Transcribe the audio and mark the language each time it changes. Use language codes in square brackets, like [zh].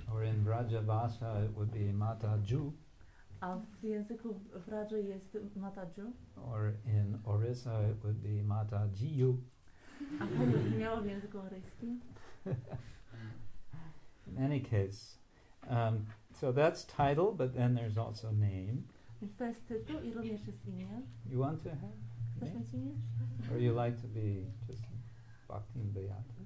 [en] Or in Vraja Bhasha it would be Mata Ju. [pl] A w języku Vraja jest Mata Ju. [en] Or in Orissa it would be Mata Jiyu. [pl] A to by brzmiało w języku oryjskim. [en] In any case, so that's title, but then there's also name. [pl] Więc to jest tytuł i również jest imię. [en] You want to have? [pl] Chcesz mieć imię? [en] Or you like to be just Bhaktin Beata?